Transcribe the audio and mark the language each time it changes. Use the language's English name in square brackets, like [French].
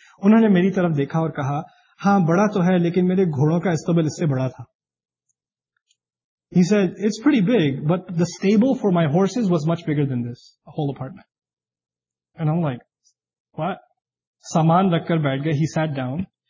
[Urdu] انہوں نے میری طرف دیکھا اور کہا, ہاں بڑا تو ہے لیکن میرے گھوڑوں کا استبل اس سے بڑا تھا. [English] He said, it's pretty big, but the stable for my horses was much bigger than this, a whole apartment. And I'm like, what? [Urdu] سامان رکھ کر بیٹھ گئے. [English] He sat down.